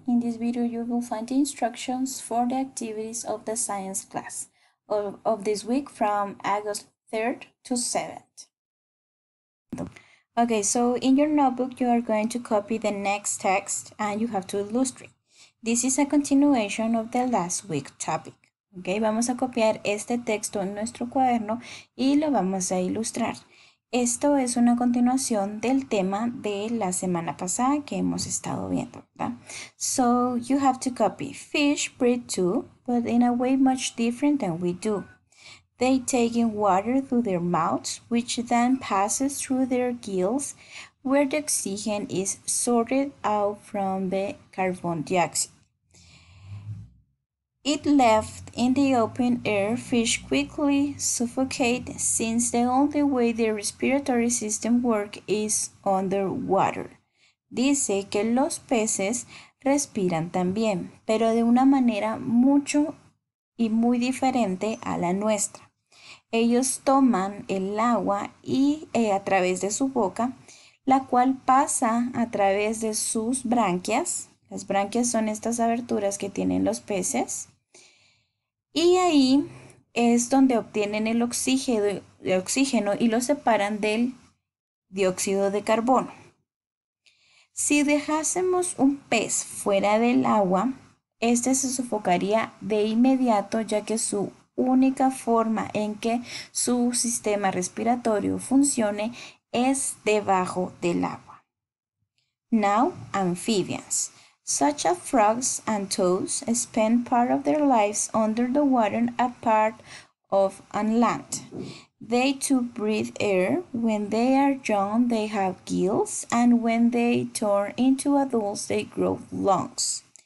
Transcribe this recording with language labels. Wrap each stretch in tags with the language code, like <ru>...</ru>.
<en>In this video, you will find the instructions for the activities of the science class of this week from August 3rd to 7th. Okay, so in your notebook, you are going to copy the next text and you have to illustrate. This is a continuation of the last week's topic.</en> <es>Okay, vamos a copiar este texto en nuestro cuaderno y lo vamos a ilustrar. Esto es una continuación del tema de la semana pasada que hemos estado viendo, ¿verdad?</es> <en>So, you have to copy. Fish breed too, but in a way much different than we do. They take in water through their mouths, which then passes through their gills, where the oxygen is sorted out from the carbon dioxide. It left in the open air, fish quickly suffocate since the only way their respiratory system works is under water.</en> <es>Dice que los peces respiran también, pero de una manera mucho y muy diferente a la nuestra. Ellos toman el agua y a través de su boca, la cual pasa a través de sus branquias. Las branquias son estas aberturas que tienen los peces. Y ahí es donde obtienen el oxígeno, y lo separan del dióxido de carbono. Si dejásemos un pez fuera del agua, este se sofocaría de inmediato, ya que su única forma en que su sistema respiratorio funcione es debajo del agua.</es> <en>Now, amphibians. Such as frogs and toads spend part of their lives under the water apart of on land. They too breathe air. When they are young, they have gills, and when they turn into adults, they grow lungs.</en>